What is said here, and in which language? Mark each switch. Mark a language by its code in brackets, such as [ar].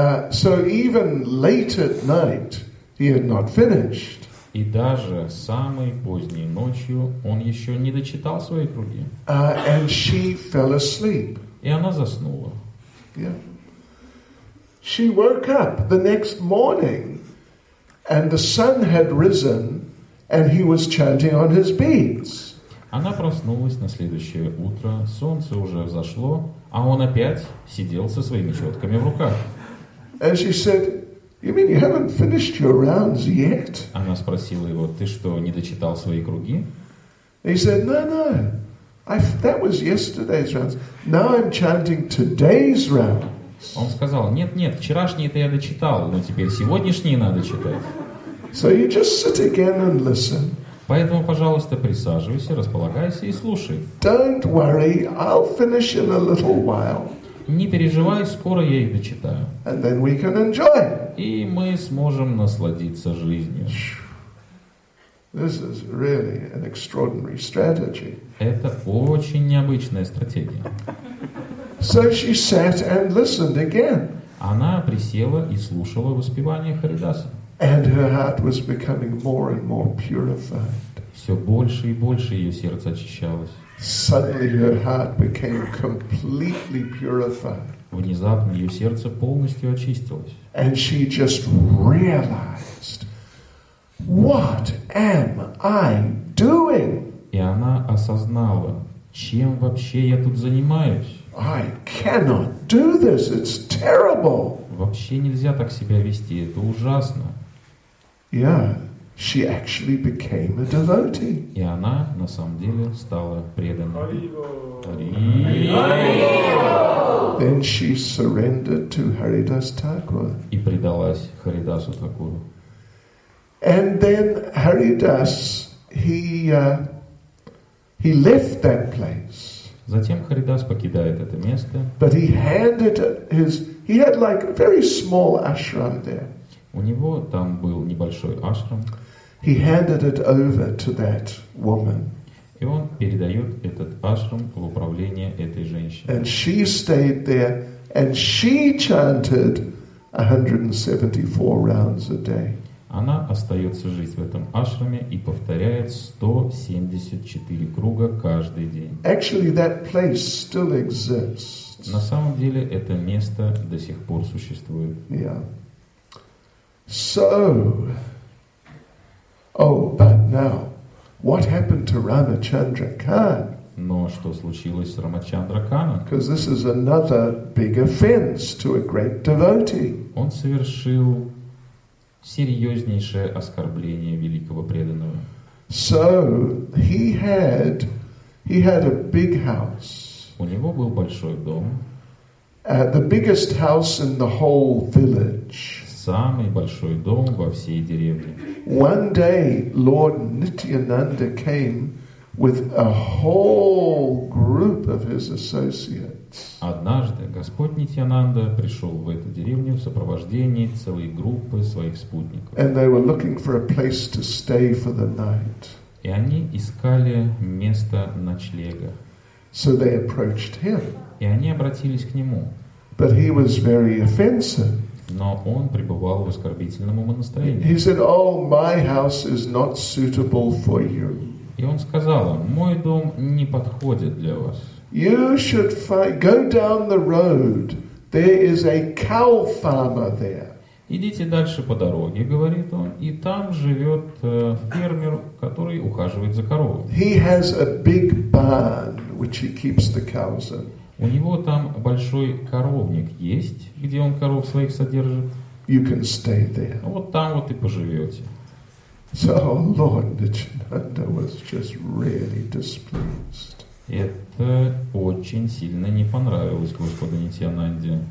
[en] So even late at night, he had not finished. [ru] И даже самой поздней ночью он еще не дочитал свои круги. [en] And she fell asleep. [ru] И она заснула. [en] Yeah. She woke up the next morning, and the sun had risen, and he was chanting on his beads. [ru] Она проснулась на следующее утро, солнце уже взошло, а он опять сидел со своими четками в руках. [en] And she said, You mean you haven't finished your rounds yet? [ru] Она спросила его: "Ты что, не дочитал свои круги?" [en] He said, "No, no. That was yesterday's rounds. Now I'm chanting today's rounds." [ru] Он сказал: "Нет, нет, вчерашние это я дочитал, но теперь сегодняшние надо читать." [en] So you just sit again and listen. [ru] Поэтому, пожалуйста, присаживайся, располагайся и слушай. [en] Don't worry, I'll finish in a little while. [ru] Не переживай, скоро я их дочитаю. [en] And then we can enjoy. [ru] И мы сможем насладиться жизнью. [en] This is really an extraordinary strategy. [ru] Это очень необычная стратегия. [en] So she sat and listened again. [ru] Она присела и слушала воспевание Харидаса. [en] And her heart was becoming more and more purified. [ru] Все больше и больше ее сердце очищалось. [en] Suddenly her heart became completely purified. [ru] Внезапно ее сердце полностью очистилось. [en] And she just realized, what am I doing? [ru] И она осознала, чем вообще я тут занимаюсь? [en] I cannot do this. It's terrible. [ru] Вообще нельзя так себя вести. Это ужасно. [en] Yeah. She actually became a devotee. [ru] И она на самом деле стала преданной. [en] Then she surrendered to Haridas Thakur. [ru] И предалась Харидасу Такуру. [en] And then Haridas he left that place. [ru] Затем Харидас покидает это место. [en] But he handed his he had like a very small ashram there. [ru] У него там был небольшой ашрам. [en] He handed it over to that woman. [ru] И он передает этот ашрам в управление этой женщине. [en] And she stayed there, and she chanted 174 rounds a day. [ru] Она остается жить в этом ашраме и повторяет 174 круга каждый день. [en] Actually, that place still exists. [ru] На самом деле это место до сих пор существует. [en] Yeah. So. Oh, but now, what happened to Ramachandra Khan? [ru] Но что случилось с Рамачандра Кана? [en] Because this is another big offense to a great devotee. [ru] Он совершил серьезнейшее оскорбление великого преданного. [en] So he had a big house. [ru] У него был большой дом. [en] The biggest house in the whole village. [ru] Самый большой дом во всей деревне. [en] One day Lord Nityananda came with a whole group of his associates. [ru] Однажды Господь Нитьянанда пришел в эту деревню в сопровождении целой группы своих спутников. [en] And they were looking for a place to stay for the night. [ru] И они искали место ночлега. [en] So they approached him. [ru] И они обратились к нему. [en] But he was very offensive. [ru] Но он пребывал в оскорбительном умонастроении. [en] He said, "Oh, my house is not suitable for you." [ru] И он сказал: "Мой дом не подходит для вас." [en] You should go down the road. There is a cow farmer there. [ru] Идите дальше по дороге, говорит он, и там живет фермер, который ухаживает за коровой. [en] He has a big barn which he keeps the cows in. [ru] У него там большой коровник есть, где он коров своих содержит. [en] You can stay there. [ru] Вот там вот и поживете. [en] So Lord Nityananda was just really displeased. [ru] Это очень сильно не понравилось Господу Нитьянанде.